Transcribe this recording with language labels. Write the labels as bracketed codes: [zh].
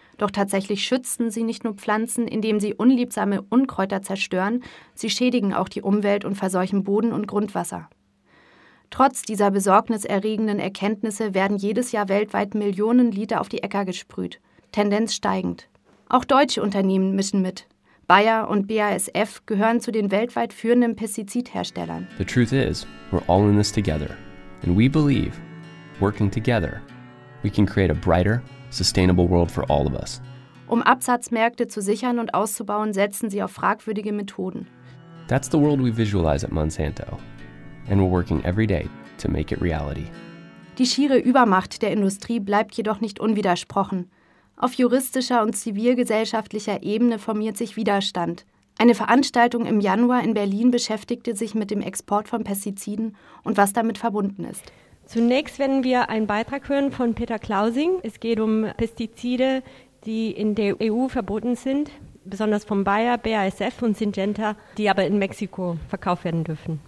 [de] Doch tatsächlich schützen sie nicht nur Pflanzen, indem sie unliebsame Unkräuter zerstören, sie schädigen auch die Umwelt und verseuchen Boden und Grundwasser. Trotz dieser besorgniserregenden Erkenntnisse werden jedes Jahr weltweit Millionen Liter auf die Äcker gesprüht. Tendenz steigend. Auch deutsche Unternehmen mischen mit. Bayer und BASF gehören zu den weltweit führenden Pestizidherstellern. [en] The truth is, we're all in this together. And we believe, working together, we can create a brighter, sustainable world for all of us. [de] Um Absatzmärkte zu sichern und auszubauen, setzen sie auf fragwürdige Methoden. [en] That's the world we visualize at Monsanto. And we're working every day to make it reality. [de] Die schiere Übermacht der Industrie bleibt jedoch nicht unwidersprochen. Auf juristischer und zivilgesellschaftlicher Ebene formiert sich Widerstand. Eine Veranstaltung im Januar in Berlin beschäftigte sich mit dem Export von Pestiziden und was damit verbunden ist. Zunächst werden wir einen Beitrag hören von Peter Klausing. Es geht um Pestizide, die in der EU verboten sind, besonders von Bayer, BASF und Syngenta, die aber in Mexiko verkauft werden dürfen.